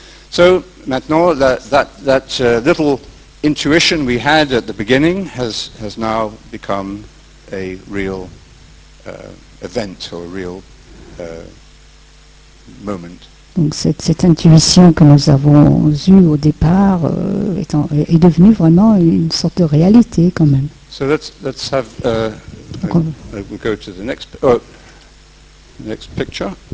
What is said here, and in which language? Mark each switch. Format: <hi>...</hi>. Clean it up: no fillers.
<en>So maintenant that little intuition we had at the beginning has now become a real event or a real moment.</en> <fr>Donc cette intuition que nous avons eue au départ est devenue vraiment une sorte de réalité quand même.</fr> <en>So let's have we go to the next picture.</en>